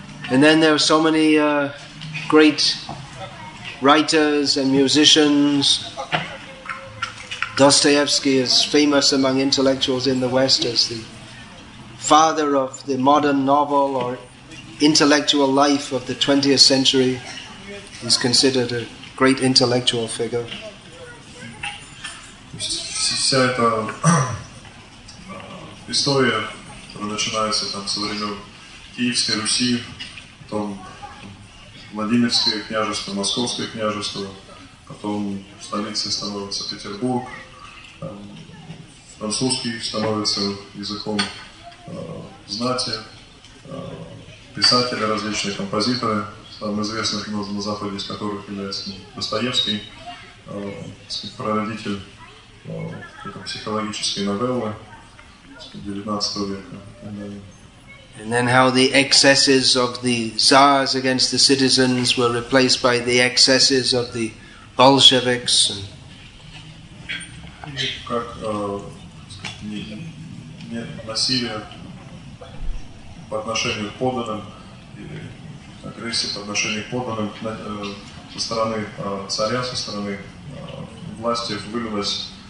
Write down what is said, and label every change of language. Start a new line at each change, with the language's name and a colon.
English: And then there were so many great writers and musicians. Dostoevsky is famous among intellectuals in the West as the father of the modern novel or intellectual life of the 20th century. He's considered a great intellectual figure.
Russian: Вся эта история, которая начинается там со времен Киевской Руси, потом Владимирское княжество, Московское княжество, потом столицей становится Петербург, французский становится языком знати, писатели различные, композиторы, самый известный на Западе из которых является Достоевский, прародитель психологические новеллы 19 века.
English: And then how the excesses of the czars against the citizens were replaced by the excesses of the Bolsheviks.
Russian: Как насилие по отношению к подданным, агрессия по отношению к подданным со стороны царя, со стороны власти вылилось